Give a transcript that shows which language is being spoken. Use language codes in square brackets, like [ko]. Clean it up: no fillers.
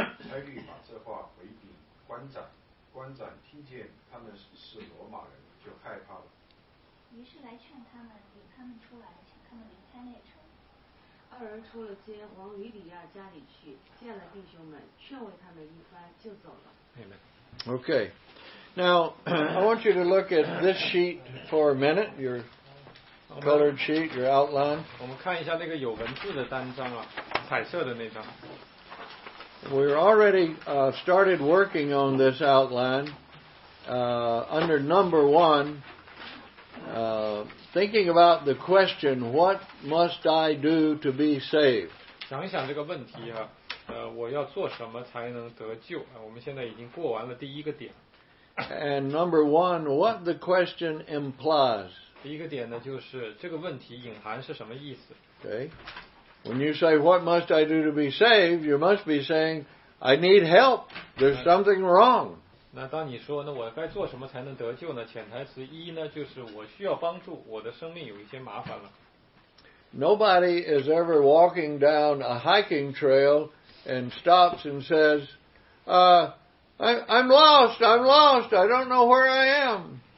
[zh] 差役把这话回禀官长，官长听见他们是罗马人，就害怕了，于是来劝他们，领他们出来，请他们离开列车。二人出了街，往吕比亚家里去，见了弟兄们，劝慰他们一番，就走了。 [en] Amen. Okay. Now, I want you to look at this sheet for a minute, your colored sheet, your outline. [zh] 我们看一下那个有文字的单张啊，彩色的那张。 [en] We're already started working on this outline under number one, thinking about the question, what must I do to be saved? [zh] 想一想这个问题啊，我要做什么才能得救？我们现在已经过完了第一个点。 [en] And number one, what the question implies. [zh] 第一个点呢，就是这个问题隐含是什么意思。 [en] Okay. When you say, what must I do to be saved? You must be saying, I need help. There's something wrong. [zh] 那当你说，那我该做什么才能得救呢？潜台词一呢，就是我需要帮助，我的生命有一些麻烦了。 [en] Nobody is ever walking down a hiking trail and stops and says, I'm lost, I don't know where I am.